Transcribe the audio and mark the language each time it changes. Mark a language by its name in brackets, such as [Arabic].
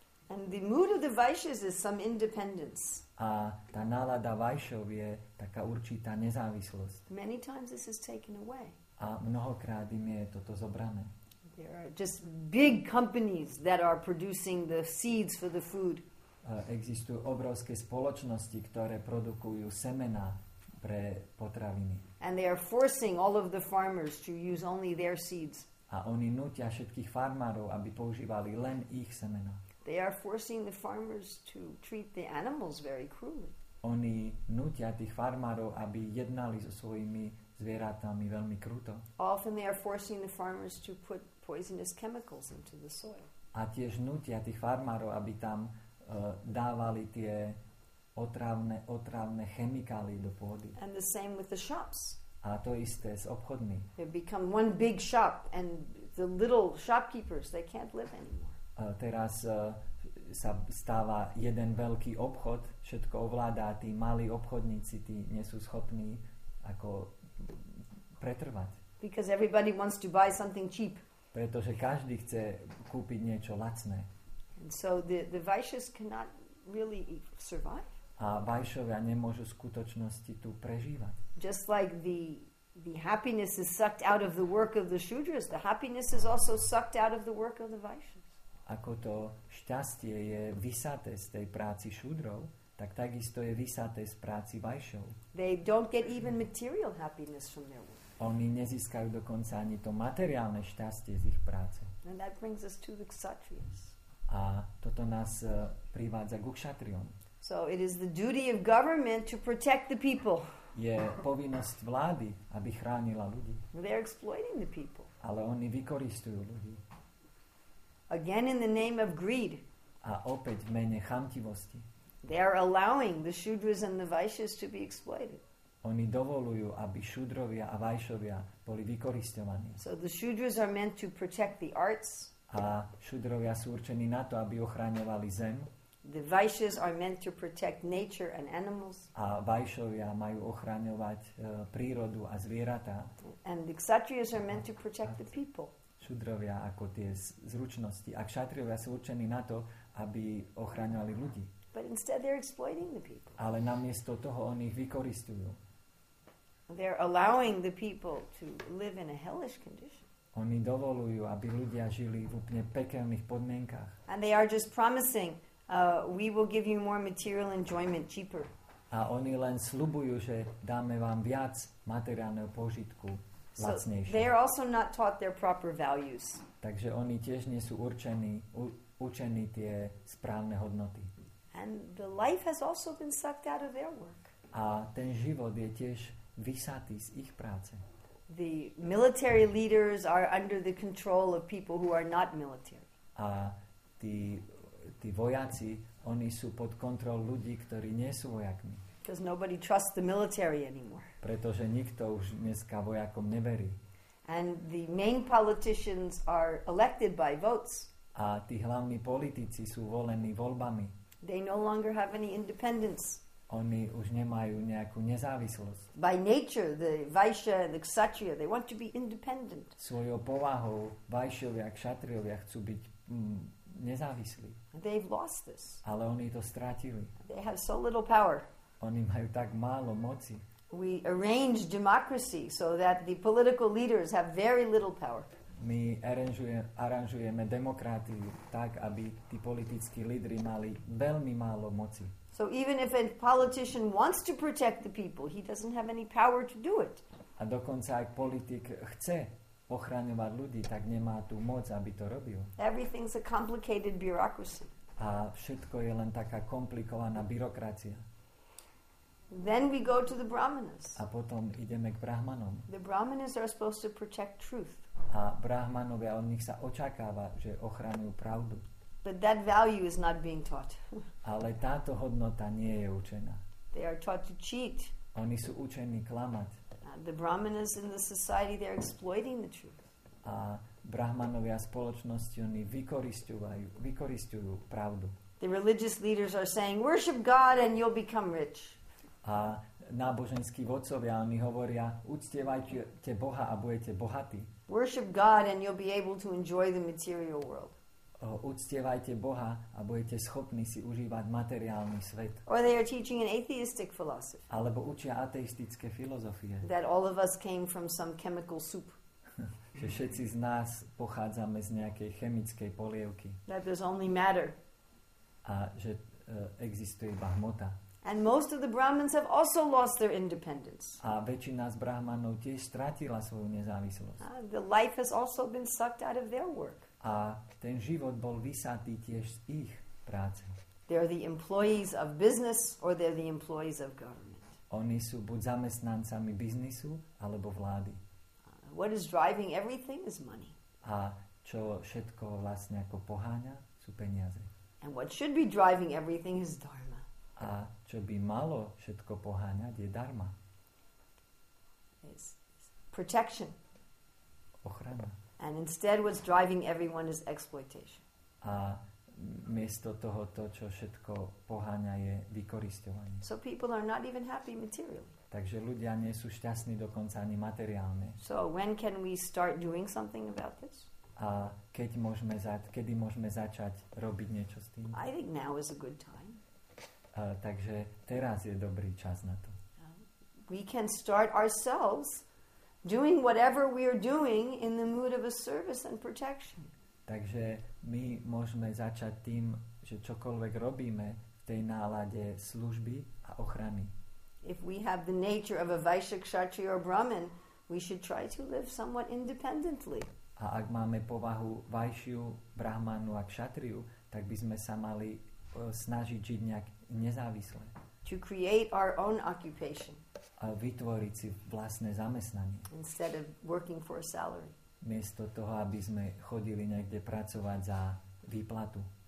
[English] And the mood of the Vaishyas is some independence. [Slovak] A tá nálada Vaishyov je taká určitá nezávislosť. [English] Many times this is taken away. [Slovak] A mnohokrát im je toto zobrané. [English] There are just big companies that are producing the seeds for the food. [Slovak] Existujú obrovské spoločnosti, ktoré produkujú semena pre potraviny. [English] And they are forcing all of the farmers to use only their seeds. [Slovak] A oni nútia všetkých farmárov, aby používali len ich semena. [English] They are forcing the farmers to treat the animals very cruelly. [Slovak] Oni nútia tých farmárov, aby jednali so svojimi zvieratami veľmi kruto. [English] Often they are forcing the farmers to put poisonous chemicals into the soil. [Slovak] A tiež nútia tých farmárov, aby tam dávali tie otrávne chemikálie do pôdy. [English] And the same with the shops. [Slovak] A to isté s obchodmi. [English] They become one big shop and the little shopkeepers, they can't live anymore. [Slovak] Teraz sa stáva jeden veľký obchod, všetko ovládá tí malí obchodníci, tí nie sú schopní ako pretrvať. [English] Because everybody wants to buy something cheap. [Slovak] Pretože každý chce kúpiť niečo lacné. [English] And so the Vaishyas cannot really survive. [Slovak] A Vaishyovia nemôžu v skutočnosti tu prežívať. [English] Just like the happiness is sucked out of the work of the Shudras, the happiness is also sucked out of the work of the Vaishyas. [Slovak] Ako to šťastie je vysaté z tej práci Shudrov, tak takisto je vysaté z práci Vaishyov. [English] They don't get even material happiness from their work. [Slovak] Oni nezískajú dokonca ani to materiálne šťastie z ich práce. [English] And that brings us to the Kshatriyas. [Slovak] A toto nás privádza ku kšatriom. [English] So it is the duty of government to protect the people. [Slovak] Je povinnosť vlády, aby chránila ľudí. [English] They are exploiting the people. [Slovak] Ale oni vykoristujú ľudí. [English] Again in the name of greed. [Slovak] A opäť v mene chamtivosti. [English] They are allowing the Shudras and the Vaishyas to be exploited. [Slovak] Oni dovolujú, aby Shudrovia a Vaishyovia boli vykoristovaní. [English] So the Shudras are meant to protect the arts. [Slovak] A Shudrovia sú určení na to, aby ochraňovali zem. [English] The Vaishyas are meant to protect nature and animals. [Slovak] A Vaishyovia majú ochraňovať prírodu a zvieratá. [English] And the Kshatriyas are meant to protect the people. [Slovak] Shudrovia ako tie zručnosti. A Kshatriyovia sú určení na to, aby ochraňovali ľudí. [English] But instead they're exploiting the people. [Slovak] Ale namiesto toho oni ich vykoristujú. [English] They're allowing the people to live in a hellish condition. [Slovak] Oni dovolujú, aby ľudia žili v úplne pekelných podmienkach. [English] And they are just promising, we will give you more material enjoyment cheaper. [Slovak] A oni len sľubujú, že dáme vám viac materiálneho požitku lacnejšie. [English] So they are also not taught their proper values. [Slovak] Takže oni tiež nie sú určení, učení tie správne hodnoty. [English] And the life has also been sucked out of their work. [Slovak] A ten život je tiež vysatý z ich práce. [English] The military leaders are under the control of people who are not military. [Slovak] A tí vojaci, oni sú pod kontrolou ľudí, ktorí nie sú vojakmi. [English] Because nobody trusts the military anymore. [Slovak] Pretože nikto už dneska vojakom neverí. [English] And the main politicians are elected by votes. [Slovak] A tí hlavní politici sú volení voľbami. [English] They no longer have any independence. [Slovak] Oni už nemajú nejakú nezávislosť. [English] By nature, the Vaishya and the Kshatriya, they want to be independent. [Slovak] Svojou povahou Vaishyovia, Kshatriovia chcú byť nezávislí. [English] They've lost this. [Slovak] Ale oni to stratili. [English] They have so little power. [Slovak] Oni majú tak málo moci. [English] We arrange democracy so that the political leaders have very little power. [Slovak] My aranžujeme demokratiu tak, aby tí politickí lídri mali veľmi málo moci. [English] So even if a politician wants to protect the people, he doesn't have any power to do it. [Slovak] A dokonca ak politik chce ochraňovať ľudí, tak nemá tú moc, aby to robil. [English] Everything's a complicated bureaucracy. [Slovak] A všetko je len taká komplikovaná byrokracia. [English] Then we go to the brahmanas. [Slovak] A potom ideme k brahmanom. [English] The brahmanas are supposed to protect truth. [Slovak] A brahmanovia, od nich sa očakáva, že ochraňujú pravdu. [English] But that value is not being taught. [Slovak] Ale táto hodnota nie je učená. [English] They are taught to cheat. [Slovak] Oni sú učení klamať. [English] The brahmanas in the society, they are exploiting the truth. [Slovak] A brahmanovia spoločnosti, oni vykoristujú pravdu. [English] The religious leaders are saying, worship God and you'll become rich. [Slovak] A náboženskí vodcovia, oni hovoria, uctievajte Boha a budete bohatí. [English] Worship God and you'll be able to enjoy the material world. [Slovak] Uctievajte Boha a budete schopní si užívať materiálny svet. [English] Or they are teaching an atheistic philosophy. [Slovak] Alebo učia ateistické filozofie. [English] That all of us came from some chemical soup. [Slovak] Že všetci z nás pochádzame z nejakej chemickej polievky. [English] That there's only matter. [Slovak] A že existuje iba hmota. [English] And most of the Brahmins have also lost their independence. [Slovak] A väčšina z Brahmanov tiež stratila svoju nezávislosť. [English] The life has also been sucked out of their work. [Slovak] A ten život bol vysatý tiež z ich práce. [English] They are the employees of business or they're the employees of government. [Slovak] Oni sú buď zamestnancami biznisu alebo vlády. [English] What is driving everything is money. [Slovak] A čo všetko vlastne ako poháňa, sú peniaze. [English] And what should be driving everything is dharma. [Slovak] A čo by malo všetko poháňať, je dharma. [English] It's protection. [Slovak] Ochrana. [English] And instead what's driving everyone is exploitation. [Slovak] A miesto toho to, čo všetko poháňa, je vykorisťovanie. [English] So people are not even happy materially. [Slovak] Takže ľudia nie sú šťastní dokonca ani materiálne. [English] So when can we start doing something about this? [Slovak] A kedy môžeme začať robiť niečo s tým? [English] I think now is a good time. [Slovak] Takže teraz je dobrý čas na to. [English] We can start ourselves doing whatever we are doing in the mood of a service and protection. [Slovak] Takže my môžeme začať tým, že čokoľvek robíme v tej nálade služby a ochrany. [English] If we have the nature of a Vaishya, Kshatriya or Brahmin, we should try to live somewhat independently. [Slovak] A ak máme povahu Vaishyu, Brahmanu a Kshatriyu, tak by sme sa mali snažiť žiť nejak nezávisle. [English] To create our own occupation. [Slovak] A vytvoriť si vlastné zamestnanie. [English] Instead of working for a salary. [Slovak] Miesto toho, aby sme chodili niekde pracovať za výplatu.